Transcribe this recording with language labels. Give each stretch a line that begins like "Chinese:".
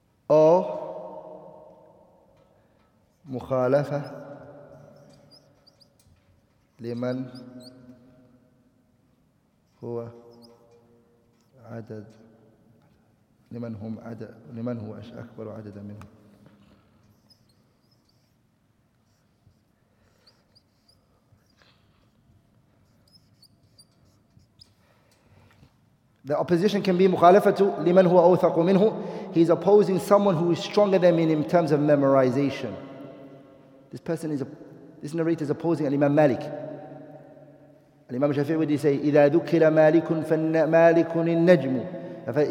Arabic: أو مخالفة لمن هو عدد لمن هم عدد لمن هو أكبر عددا منهم
English: The opposition can be
Arabic: مخالفة لمن هو أوثق منه.
English: He's opposing someone who is stronger than him in terms of memorization. This person is a, this narrator is opposing Imam Malik. Imam Shafi'i, what did he say?
Arabic: إذا ذكر مالك فمالك النجم.